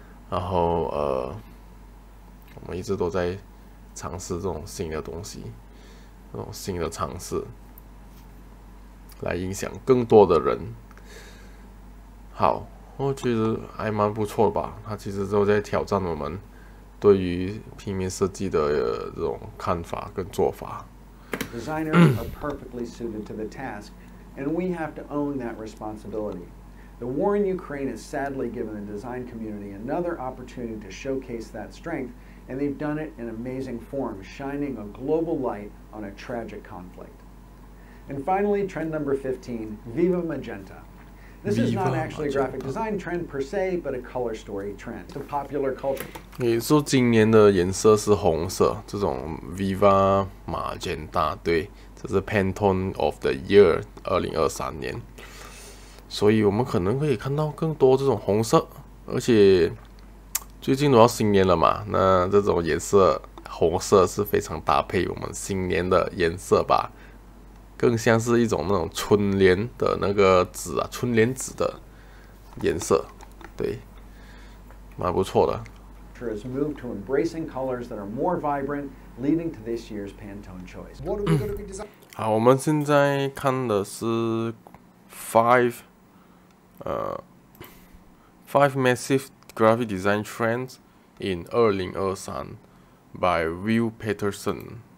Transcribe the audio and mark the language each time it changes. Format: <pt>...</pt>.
<zh>然后，我们一直都在尝试这种新的东西，这种新的尝试，来影响更多的人。好，我觉得还蛮不错的吧。他其实都在挑战我们。对于平面设计的这种看法跟做法，</zh> <en>Designers are perfectly suited to the task, and we have to own that responsibility. The war in Ukraine has sadly given the design community another opportunity to showcase that strength, and they've done it in amazing form, shining a global light on a tragic conflict. And finally, trend number 15, Viva Magenta. This is not Viva actually a graphic design trend per se, but a color story trend. It's a popular culture.</en> <zh>你说今年的颜色是红色，这种 Viva Magenta，对，这是 Pantone of the Year 2023年，所以我们可能可以看到更多这种红色，而且最近都要新年了嘛，那这种颜色红色是非常搭配我们新年的颜色吧。更像是一种那种春联的那个纸啊，春联纸的颜色，对，蛮不错的。</zh> <en>Has moved to embracing colors that are more vibrant, leading to this year's Pantone choice. What are we going to be designing?</en> <zh>好，我们现在看的是</zh> <en>five massive graphic design trends in 2023</en> <zh>by Will Patterson。</zh>